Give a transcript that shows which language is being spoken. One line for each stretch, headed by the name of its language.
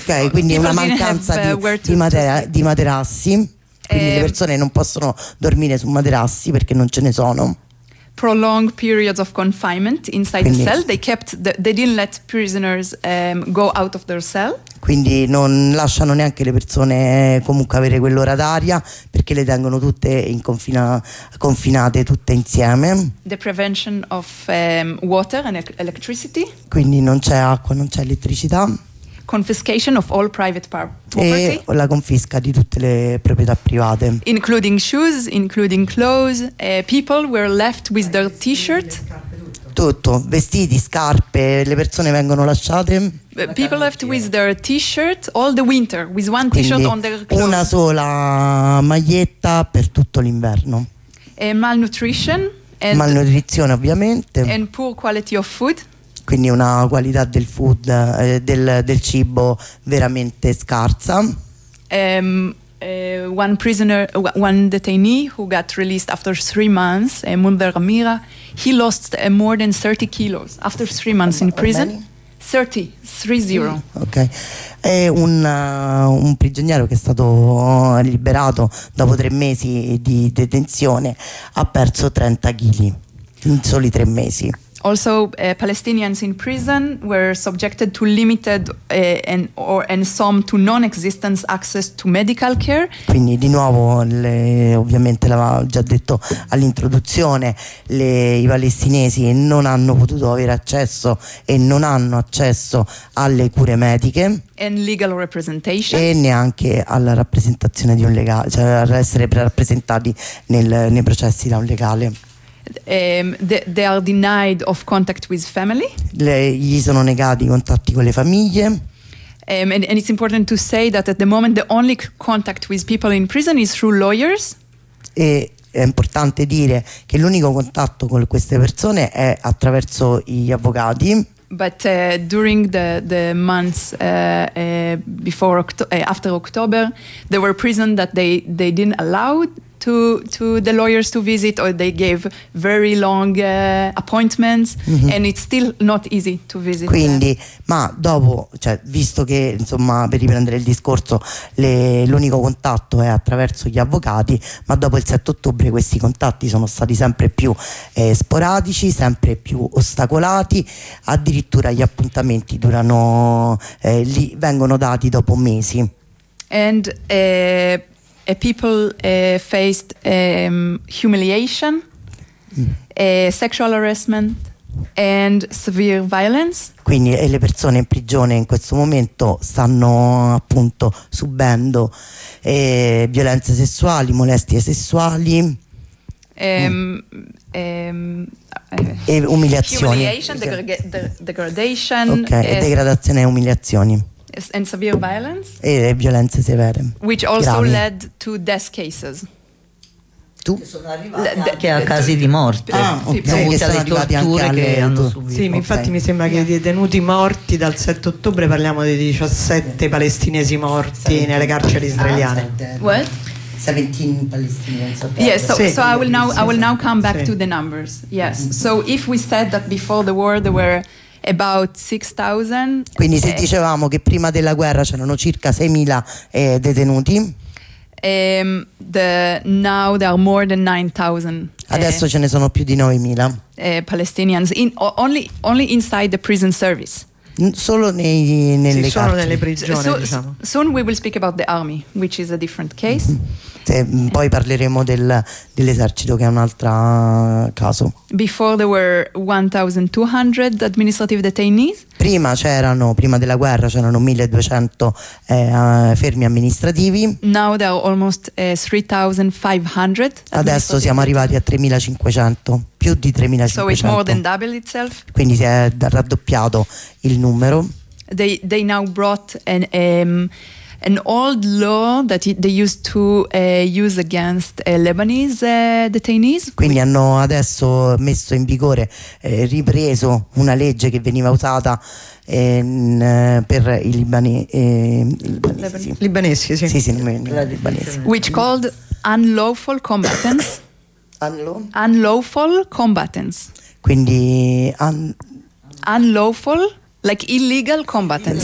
Italian: Quindi una mancanza di materassi. Quindi le persone non possono dormire su materassi perché non ce ne sono.
English: Prolonged periods of confinement inside the cell. They didn't let prisoners go out of their cell.
Italian: Quindi non lasciano neanche le persone comunque avere quell'ora d'aria, perché le tengono tutte confinate tutte insieme.
English: The prevention of water and electricity.
Italian: Quindi non c'è acqua, non c'è elettricità.
English: Confiscation of all private property.
Italian: E la confisca di tutte le proprietà private.
English: Including shoes, including clothes. People were left with their t-shirt.
Italian: Tutto, vestiti, scarpe, le persone vengono lasciate.
English: People left with their t-shirt all the winter, with one t-shirt.
Italian: Quindi,
English: on their clothes.
Italian: Una sola maglietta per tutto l'inverno.
English: Malnutrition.
Italian: Malnutrizione, ovviamente.
English: And poor quality of food.
Italian: Quindi una qualità del food, del cibo veramente scarsa.
English: One detainee who got released after 3 months, Munder Ramira, he lost more than 30 kilos after 3 months in prison. 30, 3-0. Ok.
Italian: È un prigioniero che è stato liberato dopo 3 mesi di detenzione, ha perso 30 kg in soli 3 mesi.
English: Also, Palestinians in prison were subjected to limited and some to non-existent access to medical care.
Italian: Quindi di nuovo, ovviamente l'avevo già detto all'introduzione, i palestinesi non hanno potuto avere accesso e non hanno accesso alle cure mediche.
English: And legal representation.
Italian: E neanche alla rappresentazione di un legale, cioè ad essere rappresentati nei processi da un legale.
English: They are denied of contact with family.
Italian: Gli sono negati i contatti con le famiglie.
English: And it's important to say that at the moment the only contact with people in prison is through lawyers.
Italian: E è importante dire che l'unico contatto con queste persone è attraverso gli avvocati.
English: But during the months before after October, there were prisons that they didn't allow to the lawyers to visit, or they gave very long appointments. Mm-hmm. And it's still not easy to visit.
Italian: Quindi, ma dopo, cioè, visto che, insomma, per riprendere il discorso, l'unico contatto è attraverso gli avvocati, ma dopo il 7 ottobre questi contatti sono stati sempre più sporadici, sempre più ostacolati, addirittura gli appuntamenti durano lì vengono dati dopo mesi.
English: And people faced humiliation, sexual harassment, and severe violence.
Italian: Quindi le persone in prigione in questo momento stanno appunto subendo violenze sessuali, molestie sessuali, e umiliazioni.
English: Degradation. Okay.
Italian: E degradazione e umiliazioni.
English: And severe violence.
Italian: E violenze severe.
English: Which also
Italian: gravi.
English: Led to death cases.
Italian: Tu? Che sono arrivati anche a casi di morte. Ah, okay. Sono arrivati anche alle torture che hanno subito. Sì, infatti, okay. Mi sembra che i detenuti morti dal 7 ottobre, parliamo di 17 palestinesi morti nelle carceri israeliane.
English: What? 17 Palestinians. Yes, so I will now come back to the numbers. Yes. Mm-hmm. So if we said that before the war there were about 6,000.
Italian: Quindi se dicevamo che prima della guerra c'erano circa 6,000 detenuti.
English: Now there are more than 9,000.
Italian: Adesso ce ne sono più di 9,000.
English: Palestinians only inside the prison service.
Italian: Solo nelle carceri. Solo nelle prigioni, diciamo.
English: Soon we will speak about the army, which is a different case.
Italian: Poi parleremo dell'esercito, che è un altro caso.
English: Before there were 1,200 administrative detainees.
Italian: Prima della guerra c'erano 1,200 fermi amministrativi.
English: Now there are almost 3,500.
Italian: Adesso siamo arrivati a 3,500, più di 3,500.
English: So it's more than double itself.
Italian: Quindi si è raddoppiato il numero.
English: They now brought an old law that they used to use against Lebanese detainees.
Italian: Quindi hanno adesso messo in vigore, ripreso una legge che veniva usata per i libanesi. Libanesi, sì.
English: Which called unlawful combatants. Unlawful combatants.
Italian: Quindi
English: unlawful, like illegal combatants.